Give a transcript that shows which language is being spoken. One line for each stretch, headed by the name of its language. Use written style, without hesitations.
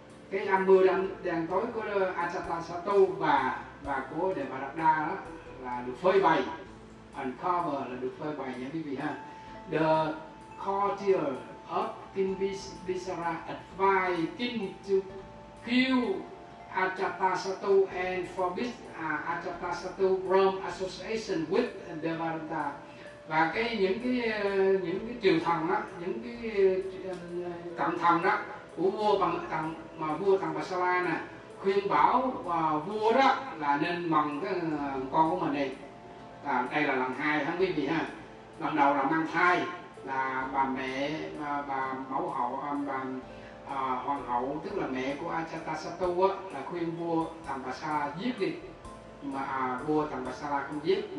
Vietnamese: Cái âm mưu đen tối của Ajatasattu và của Devadatta đó là được phơi bày. Uncover là được phơi bày nha quý vị ha. The
English: courtier of King Visara advised King to kill Ajatasattu and forbid Ajatasattu from association with Devadatta.
Vietnamese: Và cái những cái triều thần đó, những cái cận thần đó của vua bằng thần mà vua thần Bà Sa La nè khuyên bảo vua đó là nên mừng cái con của mình đi. À, đây là lần hai không biết gì ha. Lần đầu là mang thai là bà mẹ bà mẫu hậu bà hoàng hậu tức là mẹ của Ajatasattu á là khuyên vua thần Bà Sa La giết đi, mà vua thần Bà Sa La không giết.